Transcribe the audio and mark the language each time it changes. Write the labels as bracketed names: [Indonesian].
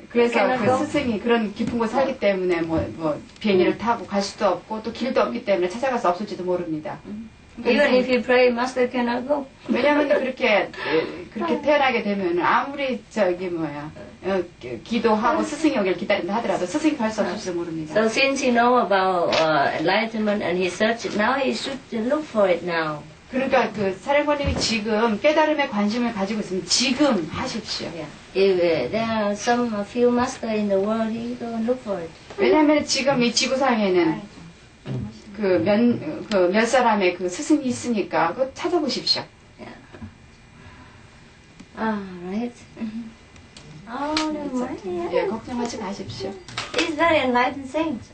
[Korean] 그래서 그 스승이 그런 깊은 곳 살기 때문에 뭐 비행기를 타고 갈 수도 없고 또 길도 없기 때문에 찾아갈 수 없을지도 모릅니다. [English] Even if you pray, master cannot go. [Korean] 왜냐하면 그렇게 태어나게 되면 아무리 저기 뭐야 기도하고 스승이 오기를 기다린다 하더라도 스승이 갈 수 없을지 모릅니다. [English] So since he know about enlightenment and he search, now he should look for it now. [Korean] 그러니까 그 사령관님이 지금 깨달음에 관심을 가지고 있으면 지금 하십시오. [English] Yeah. If there are some few master in the world, he go and look for it. [Korean] 왜냐하면 지금 이 지구상에는 그 몇 사람의 그 스승이 있으니까 그 찾아보십시오. [English] Yeah. All right. [Korean] Oh, 예, 걱정하지 마십시오. [English] Is that enlightened saint?